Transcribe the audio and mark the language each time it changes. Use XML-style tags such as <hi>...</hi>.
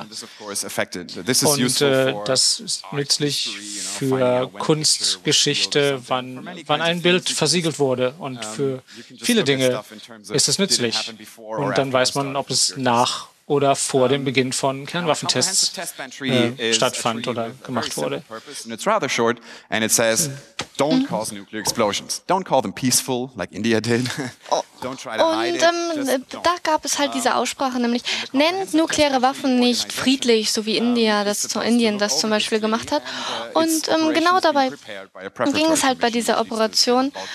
<de>Und das ist nützlich für Kunstgeschichte, wann ein Bild versiegelt wurde. Und für viele Dinge ist es nützlich. Und dann weiß man, ob es nach oder vor dem Beginn von Kernwaffentests stattfand oder gemacht wurde.</de> <en>And it's rather short, and it says, don't cause nuclear explosions. Don't call them peaceful, like India did.</en> <de>Da gab es halt diese Aussprache, nämlich nennt nukleare Waffen nicht friedlich, so wie Indien das zum Beispiel gemacht hat. Und genau dabei ging es halt bei dieser Operation,</de>